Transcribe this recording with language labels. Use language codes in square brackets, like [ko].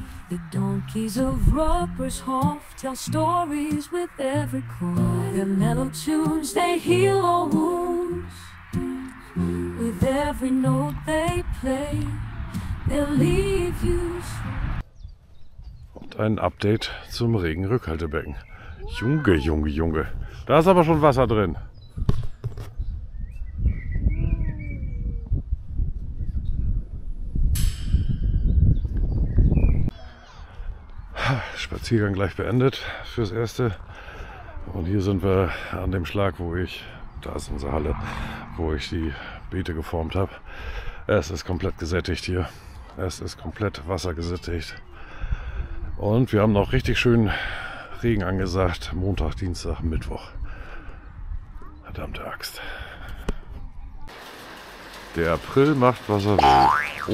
[en] The donkeys of Röpershof tell stories with every chord. Their mellow tunes, they heal all wounds. With every note they play, they'll leave you. [de] Ein Update zum Regenrückhaltebecken. Junge, Junge, Junge. Da ist aber schon Wasser drin. Spaziergang gleich beendet fürs Erste. Und hier sind wir an dem Schlag, wo ich, da ist unsere Halle, wo ich die Beete geformt habe. Es ist komplett gesättigt hier. Es ist komplett wassergesättigt. Und wir haben noch richtig schön Regen angesagt. Montag, Dienstag, Mittwoch. Verdammte Axt. Der April macht, was er will.